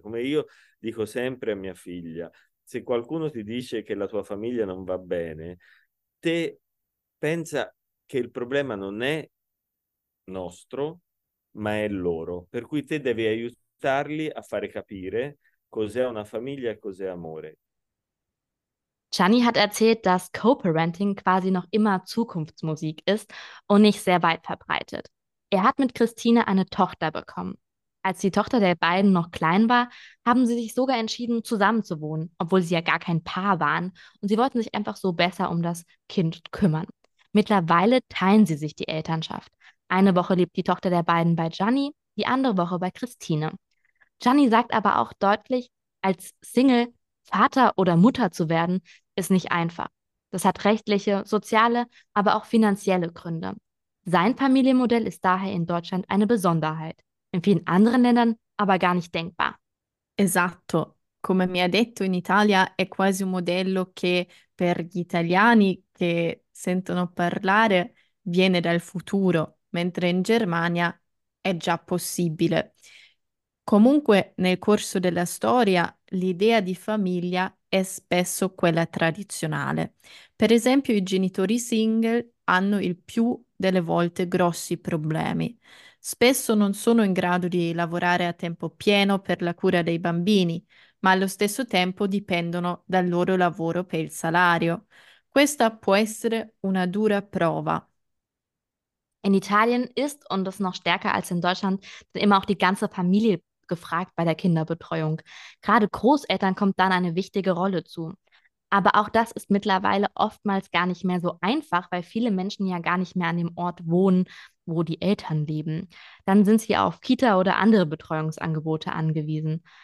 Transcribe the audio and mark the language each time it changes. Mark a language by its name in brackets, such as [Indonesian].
[Italian] Come io dico sempre a mia figlia, se qualcuno ti dice che la tua famiglia non va bene, te pensa che il problema non è nostro, ma è loro. Per cui te devi aiutarli a fare capire cos'è una famiglia e cos'è amore. [German] Gianni hat erzählt, dass Co-Parenting quasi noch immer Zukunftsmusik ist und nicht sehr weit verbreitet. Er hat mit Christine eine Tochter bekommen. Als die Tochter der beiden noch klein war, haben sie sich sogar entschieden, zusammen zu wohnen, obwohl sie ja gar kein Paar waren und sie wollten sich einfach so besser um das Kind kümmern. Mittlerweile teilen sie sich die Elternschaft. Eine Woche lebt die Tochter der beiden bei Gianni, die andere Woche bei Christine. Gianni sagt aber auch deutlich, als Single Vater oder Mutter zu werden, ist nicht einfach. Das hat rechtliche, soziale, aber auch finanzielle Gründe. Sein Familienmodell ist daher in Deutschland eine Besonderheit, in vielen anderen Ländern aber gar nicht denkbar. [Italian] Esatto, come mi ha detto, in Italia è quasi un modello che per gli italiani che sentono parlare viene dal futuro, mentre in Germania è già possibile. Comunque, nel corso della storia, l'idea di famiglia è spesso quella tradizionale. Per esempio, i genitori single hanno il più delle volte grossi problemi. Spesso non sono in grado di lavorare a tempo pieno per la cura dei bambini, ma allo stesso tempo dipendono dal loro lavoro per il salario. Questa può essere una dura prova. [German] In Italien ist, und das noch stärker als in Deutschland, dann immer auch die ganze Familie gefragt bei der Kinderbetreuung. Gerade Großeltern kommt dann eine wichtige Rolle zu. Aber auch das ist mittlerweile oftmals gar nicht mehr so einfach, weil viele Menschen ja gar nicht mehr an dem Ort wohnen, wo die Eltern leben. Dann sind sie auf Kita oder andere Betreuungsangebote angewiesen.